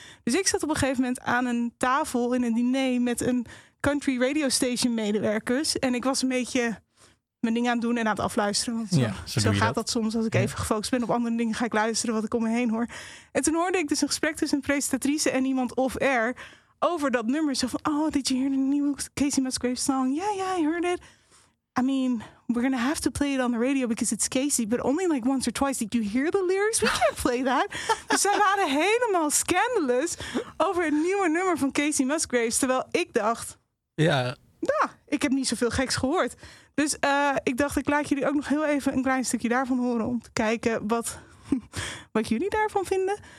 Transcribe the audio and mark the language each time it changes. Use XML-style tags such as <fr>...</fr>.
<nl>Dus ik zat op een gegeven moment aan een tafel in een diner met een country radio station medewerkers. En ik was een beetje mijn ding aan het doen en aan het afluisteren. Want zo gaat dat soms. Als ik even gefocust ben op andere dingen, ga ik luisteren wat ik om me heen hoor. En toen hoorde ik dus een gesprek tussen een presentatrice en iemand off-air over dat nummer. Zo van,</nl> <en>oh, did you hear the new Casey Musgraves song? Yeah, yeah, I heard it. I mean, we're gonna have to play it on the radio because it's Casey. But only like once or twice did you hear the lyrics. We can't play that.</en> <nl>Dus zij waren helemaal scandalous over het nieuwe nummer van Casey Musgraves. Terwijl ik dacht, ja, nou, ik heb niet zoveel geks gehoord. Dus ik dacht, ik laat jullie ook nog heel even een klein stukje daarvan horen. Om te kijken wat jullie daarvan vinden.</nl>